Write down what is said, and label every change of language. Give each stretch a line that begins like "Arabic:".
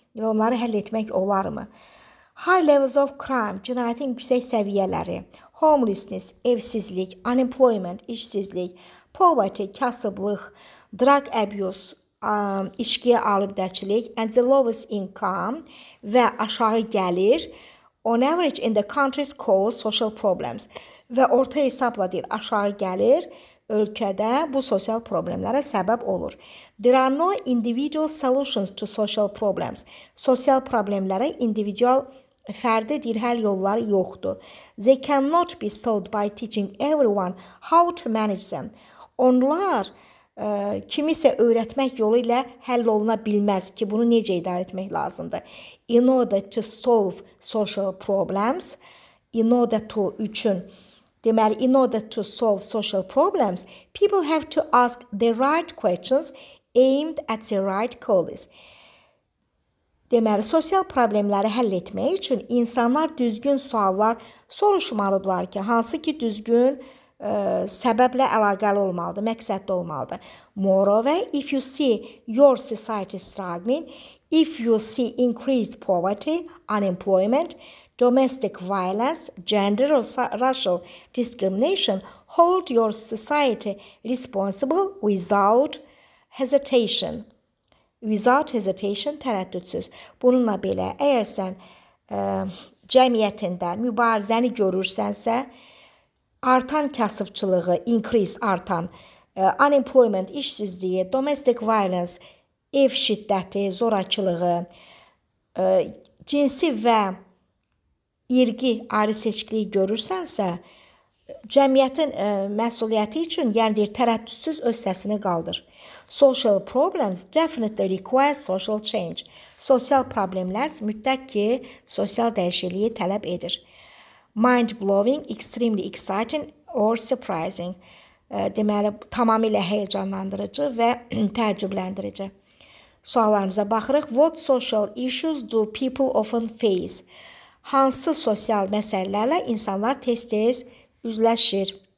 Azerbaijani: Və onları həll etmək olarmı?
English: High levels of crime,
Azerbaijani: cinayətin yüksək səviyyələri,
English: homelessness,
Azerbaijani: evsizlik,
English: unemployment,
Azerbaijani: işsizlik,
English: poverty,
Azerbaijani: kasıblıq,
English: drug abuse,
Azerbaijani: içkiyə aludəçilik
English: and the lowest income
Azerbaijani: və aşağı gəlir
English: on average in the countries cause social problems
Azerbaijani: və orta hesabla deyir, aşağı gəlir ölkədə bu sosial problemlərə səbəb olur.
English: There are no individual solutions to social problems.
Azerbaijani: Sosial problemlərə individual fərdi deyil, həll yolları yoxdur.
English: They cannot be solved by teaching everyone how to manage them.
Azerbaijani: Onlar kimisə öyrətmək yolu ilə həll oluna bilməz ki, bunu necə idarə etmək lazımdır.
English: In order to solve social problems, in order to
Azerbaijani: üçün, deməli,
English: in order to solve social problems, people have to ask the right questions aimed at the right causes.
Azerbaijani: Deməli, sosial problemləri həll etmək üçün insanlar düzgün suallar soruşmalıdırlar ki, hansı ki düzgün səbəblə əlaqəli olmalıdır, məqsədli olmalıdır.
English: Moreover, if you see your society struggling, if you see increased poverty, unemployment, domestic violence, gender or racial discrimination, hold your society responsible without hesitation. Without hesitation,
Azerbaijani: tərəddüdsüz. Bununla belə, əgər sən cəmiyyətində mübarizəni görürsənsə, artan kasıbçılığı,
English: increase
Azerbaijani: artan,
English: unemployment,
Azerbaijani: işsizliyi,
English: domestic violence,
Azerbaijani: ev şiddəti, zorakılığı, cinsi və irqi ayrı seçkiliyi görürsənsə, cəmiyyətin məsuliyyəti üçün, yəni deyir, tərəddüdsüz öz səsini qaldır.
English: Social problems definitely require social change.
Azerbaijani: Sosial problemlər mütləq ki, sosial dəyişikliyi tələb edir.
English: Mind-blowing, extremely exciting or surprising.
Azerbaijani: Deməli, tamamilə həyəcanlandırıcı və təəccübləndirici. Suallarımıza baxırıq.
English: What social issues do people often face?
Azerbaijani: Hansı sosial məsələlərlə insanlar tez-tez üzləşir?